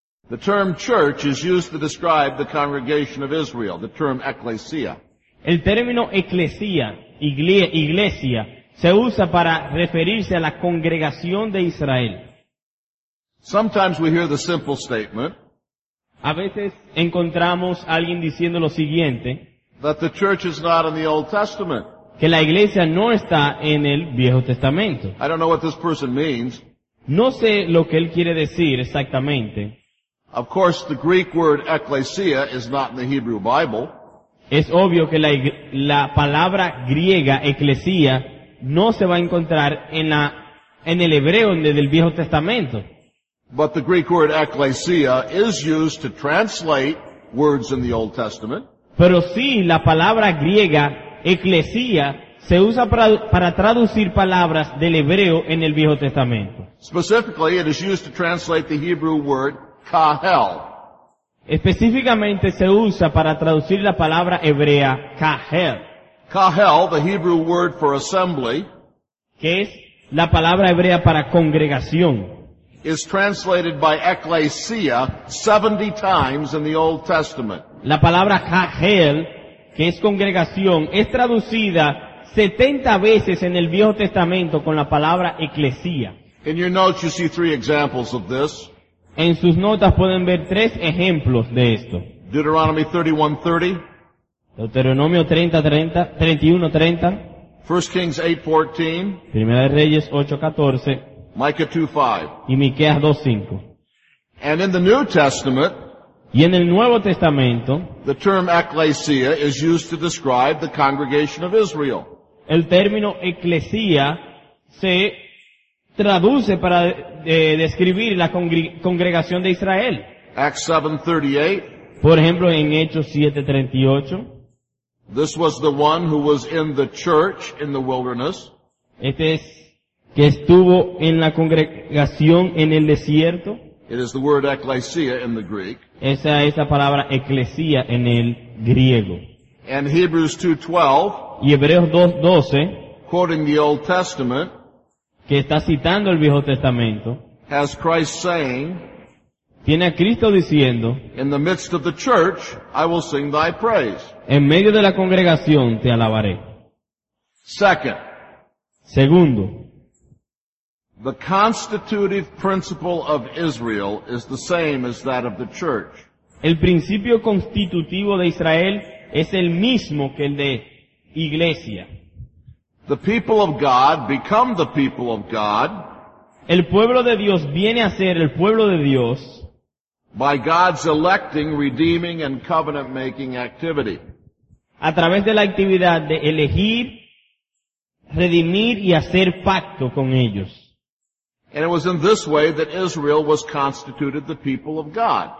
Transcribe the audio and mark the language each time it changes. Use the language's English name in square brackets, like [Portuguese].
[English] The term church is used to describe the congregation of Israel, the term ecclesia. [Spanish] El término eclesia, iglesia, se usa para referirse a la congregación de Israel. [English] Sometimes we hear the simple statement. [Spanish] A veces encontramos a alguien diciendo lo siguiente. [English] That the church is not in the Old Testament. [Spanish] Que la iglesia no está en el Viejo Testamento. [English] I don't know what this person means. [Spanish] No sé lo que él quiere decir exactamente. [English] Of course, the Greek word ecclesia is not in the Hebrew Bible. [Spanish] Es obvio que la palabra griega eclesia no se va a encontrar en el hebreo del Viejo Testamento. [English] But the Greek word ecclesia is used to translate words in the Old Testament. [Spanish] Pero sí, la palabra griega eclesia se usa para traducir palabras del hebreo en el Viejo Testamento. [English] Specifically, it is used to translate the Hebrew word kahel. [Spanish] Específicamente se usa para traducir la palabra hebrea kahel. [English] Kahel, the Hebrew word for assembly, [Spanish] que es la palabra hebrea para congregación, [English] is translated by ecclesia 70 times in the Old Testament. [Spanish] La palabra kahel, que es congregación, es traducida 70 veces en el Viejo Testamento con la palabra eclesia. [English] In your notes you see three examples of this. [Spanish] En sus notas pueden ver tres ejemplos de esto. [English] Deuteronomy 31:30. [Spanish] Deuteronomio 31:30. [English] 1 Kings 8:14. [Spanish] Primera de Reyes 8:14. [English] Micah 2:5. [Spanish] Y Miqueas 2:5. [English] And in the New Testament, [Spanish] y en el Nuevo Testamento, [English] the term ecclesia is used to describe the congregation of Israel. [Spanish] El término eclesia se traduce para describir la congregación de Israel. [English] Acts 7:38. [Spanish] Por ejemplo, en Hechos 7:38. [English] This was the one who was in the church in the wilderness. [Spanish] Este es que estuvo en la congregación en el desierto. [English] It is the word ecclesia in the Greek. [Spanish] Esa es la palabra eclesia en el griego. [English] And Hebrews 2:12. [Spanish] Y Hebreos 2:12. [English] Quoting the Old Testament. [Spanish] Que está citando el Viejo Testamento. [English] Has Christ saying, [Spanish] tiene a Cristo diciendo, [English] in the midst of the church, I will sing thy praise. [Spanish] En medio de la congregación te alabaré. [English] Second. [Spanish] Segundo. [English] The constitutive principle of Israel is the same as that of the church. [Spanish] El principio constitutivo de Israel es el mismo que el de iglesia. [English] The people of God become the people of God. [Spanish] El pueblo de Dios viene a ser el pueblo de Dios. [English] By God's electing, redeeming, and covenant-making activity. [Spanish] A través de la actividad de elegir, redimir y hacer pacto con ellos. [English] And it was in this way that Israel was constituted the people of God.